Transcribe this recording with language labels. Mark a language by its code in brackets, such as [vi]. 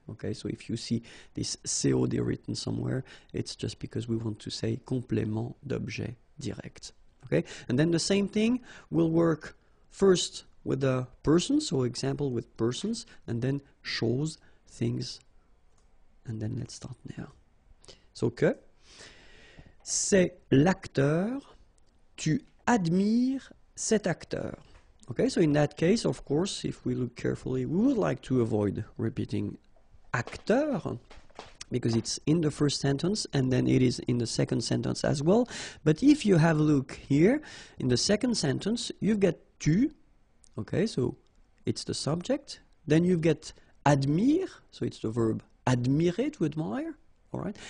[en] Okay, so if you see this COD written somewhere, it's just because we want to say complément d'objet direct. Okay, and then the same thing will work first with the person, so example with persons, and then shows things, and then let's start now. [fr] So que, c'est l'acteur, tu admires cet acteur. [en] Okay, so in that case, of course, if we look carefully, we would like to avoid repeating acteur, because it's in the first sentence, and then it is in the second sentence as well. But if you have a look here, in the second sentence, you've got tu, okay, so it's the subject, then you've got admire, so it's the verb admirer, to admire, all right?